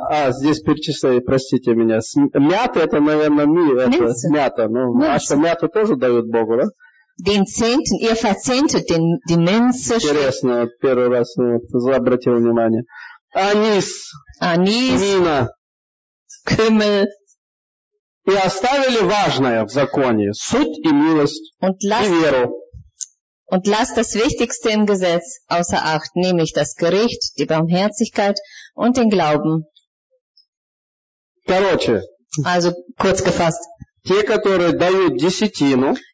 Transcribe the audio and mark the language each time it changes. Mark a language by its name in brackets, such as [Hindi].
[Russian] Здесь перечисляю, простите меня. Мята это, наверное, мята. Ну, а что, мята тоже дают Богу, да? [German] Den Zehnten, ihr verzehntet den, die Minze. [Russian] Интересно, вот первый раз обратил внимание. Анис, вина, кюмель. И оставили важное в законе, суть и милость, и веру. [German] Und lasst das Wichtigste im Gesetz außer Acht, nämlich das Gericht, die Barmherzigkeit und den Glauben. [Russian] Короче, [German] also, kurz gefasst. [Russian] Те, которые дают десятину,